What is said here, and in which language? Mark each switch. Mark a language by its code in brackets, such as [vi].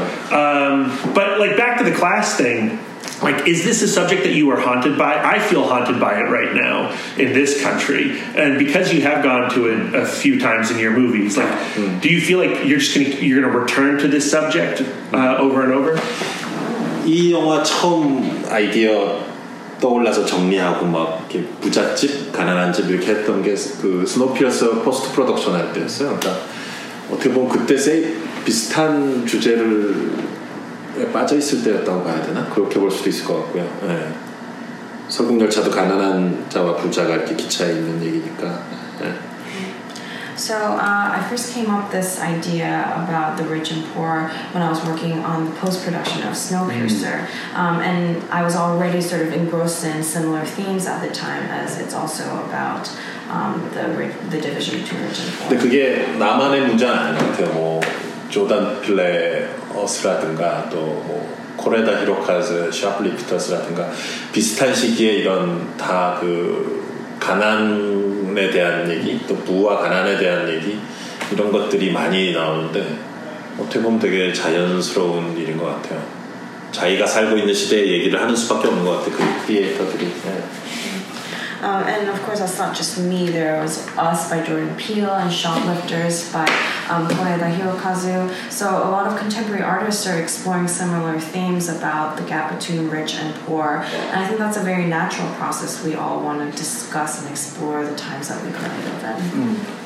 [en] But, like, back to the class thing, like, is this a subject that you are haunted by? I feel haunted by it right now in this country. And because you have gone to it a few times in your movies, like, do you feel like you're gonna return to this subject over and over? [ko] 이 영화 처음 아이디어 떠올라서 정리하고 막 이렇게 부잣집, 가난한 집 이렇게 했던 게 그 스노우피어서 포스트 프로덕션 할 때였어요. 그러니까 어떻게 보면 그때 비슷한 주제를 빠져 있을 때였다고 봐야 되나? 그렇게 볼 수도 있을 것 같고요. 네. 서극열차도 가난한 자와 부자가 이렇게 기차에 있는 얘기니까. 네. [en] So I first came up this idea about the rich and poor when I was working on the post-production of Snowpiercer. Mm. And I was already sort of engrossed in similar themes at the time, as it's also about the division between rich and poor. [ko] 근데 그게 나만의 문제는 아닌 것 같아요. 뭐 조던 필레 어스라든가 또 뭐 코레다 히로카즈, 샤플리피터스라든가 비슷한 시기에 이런 다 그 가난에 대한 얘기, 또 부와 가난에 대한 얘기 이런 것들이 많이 나오는데 어떻게 보면 되게 자연스러운 일인 것 같아요. 자기가 살고 있는 시대의 얘기를 하는 수밖에 없는 것 같아요. 그 크리에이터들이. [en] And of course, that's not just me. There was Us by Jordan Peele and Shoplifters by Koreeda Hirokazu. So a lot of contemporary artists are exploring similar themes about the gap between rich and poor. And I think that's a very natural process we all want to discuss and explore the times that we currently live in.